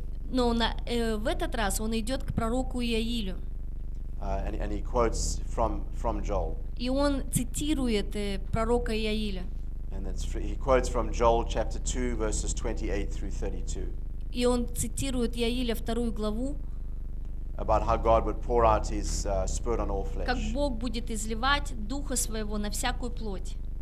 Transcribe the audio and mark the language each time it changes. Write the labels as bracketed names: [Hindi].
[Russian] Но в этот раз он идет к пророку Иоилю. [English] And he quotes from Joel. [Russian] И он цитирует пророка Иоиля. [English] And that's he quotes from Joel chapter 2 verses 28 through 32. [Russian] И он цитирует Иоиля вторую главу. [English] About how God would pour out His Spirit on all flesh. [Russian] Как Бог будет изливать Духа Своего на всякую плоть.